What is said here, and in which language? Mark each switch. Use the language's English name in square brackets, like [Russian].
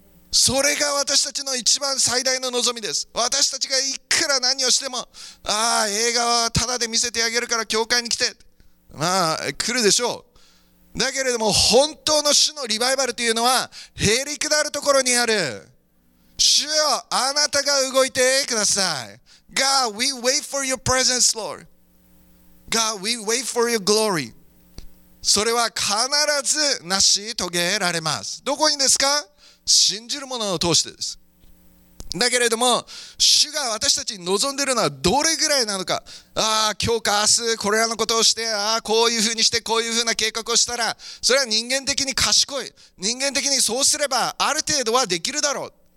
[Japanese] それが私たちの一番最大の望みです。私たちがいくら何をしても、映画はタダで見せてあげるから教会に来て。まあ、来るでしょう。だけれども、本当の主のリバイバルというのは、へりくだるところにある。主よ、あなたが動いてください。 [English] God, we wait for your presence, Lord. God, we wait for your glory. [Japanese] それは必ず成し遂げられます。どこにですか？信じる者を通してです。だけれども主が私たちに望んでいるのはどれぐらいなのか。今日か明日これらのことをして、こういうふうにして、こういうふうな計画をしたら、それは人間的に賢い、人間的にそうすればある程度はできるだろう。